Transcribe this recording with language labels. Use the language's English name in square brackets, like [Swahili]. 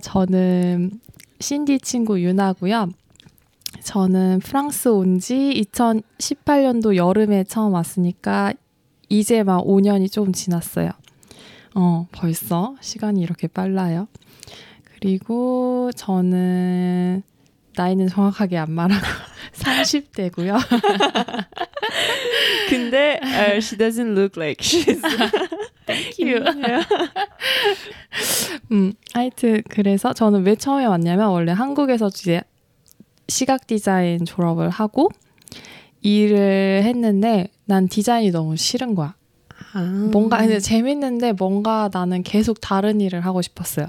[Korean] 저는 신디 친구 유나고요. 저는 프랑스 온 지 2018년도 여름에 처음 왔으니까 이제 막 5년이 좀 지났어요. 벌써 시간이 이렇게 빨라요. 그리고 저는 나이는 정확하게 안 말하고 30대고요. 근데 [English] she doesn't look like she's... Thank you. [Korean] 하여튼 그래서 저는 왜 처음에 왔냐면 원래 한국에서 이제 시각 디자인 졸업을 하고 일을 했는데 난 디자인이 너무 싫은 거야. 뭔가 이제 재밌는데 뭔가 나는 계속 다른 일을 하고 싶었어요.